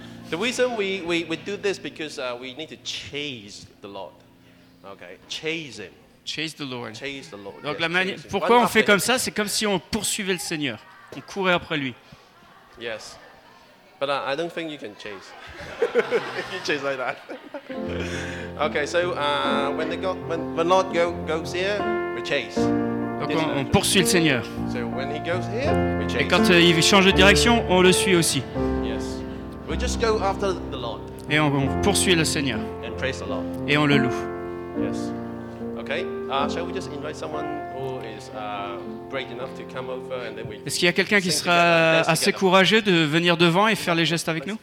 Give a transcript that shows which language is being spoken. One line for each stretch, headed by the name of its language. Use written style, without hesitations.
English: The reason we do this because we need to chase the Lord. Okay, chase him. Chase the Lord. Chase the Lord.
French: Donc yes, la manière pourquoi on fait comme ça, c'est comme si on poursuivait le Seigneur, on courait après lui.
English: Yes. But I don't think you can chase. You chase like that. Okay, so when Lord goes here, we chase.
French: Donc on poursuit le Seigneur.
English: So when he goes here, we chase.
French: Et quand il change de direction, on le suit aussi.
English: We just go after the Lord.
French: Et on poursuit le Seigneur.
English: And praise the Lord.
French: Et on le loue.
English: Yes. Okay. Shall we just invite someone who is brave enough to come over and then we?
French: Est-ce qu'il y a quelqu'un qui sera assez courageux de venir devant et faire les gestes avec nous?